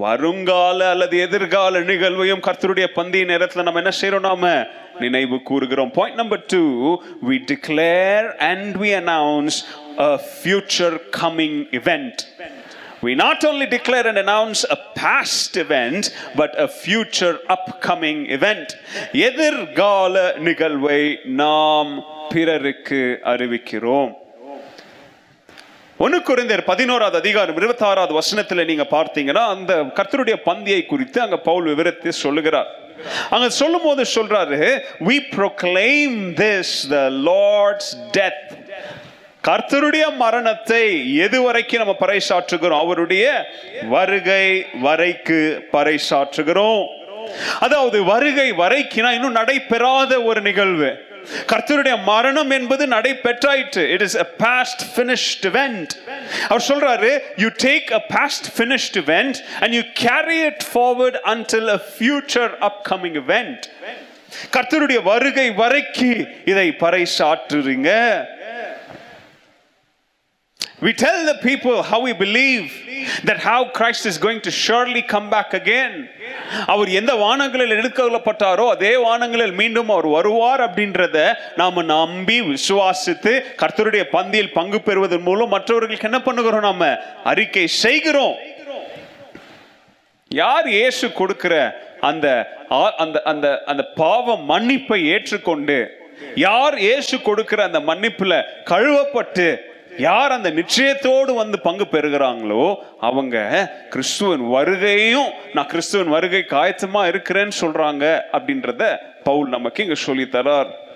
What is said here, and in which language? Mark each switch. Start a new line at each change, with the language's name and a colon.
Tamil: வருங்கால அல்லது எதிர்கால நிகழ்வையும் கர்த்தருடைய பந்தய நேரத்தில் நம்ம என்ன செய்யறோம், நாம நினைவு கூறுகிறோம்.
English: Point number 2, we declare and we announce a future coming event. We not only declare and announce a past event, but a future upcoming event.
Tamil: எதிர்கால நிகழ்வை நாம் பிறருக்கு அறிவிக்கிறோம். 1 கொரிந்தியர் 11 அதிகாரம் 26 வசனத்தில் நீங்க பார்த்தீங்கன்னா அந்த கர்த்தருடைய பந்தியை குறித்து அங்க பவுல் விவரத்தை சொல்லுகிறார். அங்க சொல்லும் போது சொல்றாரு,
English: We proclaim this, the Lord's death.
Tamil: கர்த்தருடைய மரணத்தை எது வரைக்கும் நம்ம பறைசாற்றுகிறோம், அவருடைய வருகை வரைக்கு பறைசாற்றுகிறோம். அதாவது வருகை வரைக்கினா இன்னும் நடைபெறாத ஒரு நிகழ்வு, கர்த்தருடைய மரணம் என்பது நடைபெற்றாயிற்று.
English: It is a past finished event.
Tamil: அவர் சொல்றாரு,
English: You take a past finished event and you carry it forward until a future upcoming event.
Tamil: கர்த்தருடைய வருகை வரைக்கு இதை பறைசாற்றுறீங்க.
English: We tell the people how we believe that how Christ is going to surely come back again.
Tamil: அவர் எந்த வானங்களில் எடுக்கப்பட்டாரோ அதே வானங்களில் மீண்டும் அவர் வருவார் அப்படின்றத நாம் நம்பி விசுவாசித்து கர்த்தருடைய பந்தியில் பங்கு பெறுவதன் மூலம் மற்றவர்களுக்கு என்ன பண்ணுகிறோம், நாம் அறிக்கை செய்கிறோம். யார் இயேசு கொடுக்கிற அந்த அந்த அந்த பாவ மன்னிப்பை ஏற்றுக்கொண்டு, யார் இயேசு கொடுக்கிற அந்த மன்னிப்பில் கழுவப்பட்டு, யார் அந்த நிச்சயத்தோடு வந்து பங்கு பெறுகிறாங்களோ அவங்க கிறிஸ்துவின் வருகையையும், நான் கிறிஸ்துவின் வருகை காயத்தமா இருக்கிறேன்னு சொல்றாங்க அப்படின்றத பவுல் நமக்கு இங்க சொல்லி தரார்.